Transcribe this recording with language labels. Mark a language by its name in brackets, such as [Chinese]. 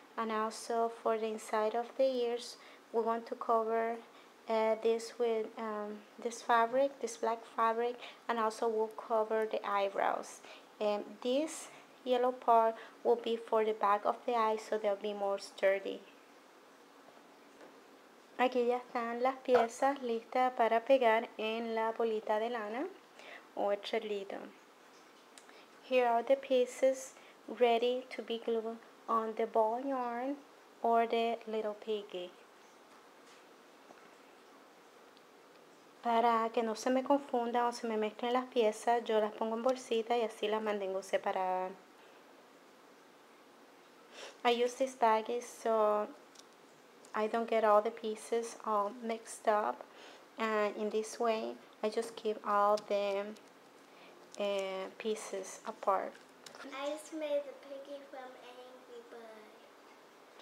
[English] And also for the inside of the ears, we want to cover this with this fabric, this black fabric, and also we'll cover the eyebrows. And this yellow part will be for the back of the eyes, so they'll be more sturdy. [Spanish] Aquí ya están las piezas listas para pegar en la bolita de lana o el charlito. [English] Here are the pieces ready to be glued on the ball yarn or the little piggy. [Spanish] Para que no se me confundan o se me mezclen las piezas, yo las pongo en bolsita y así las mantengo separadas. [English] I use these baggies so I don't get all the pieces all mixed up. And in this way, I just keep all the pieces apart. I just made the piggy from Angry Bird.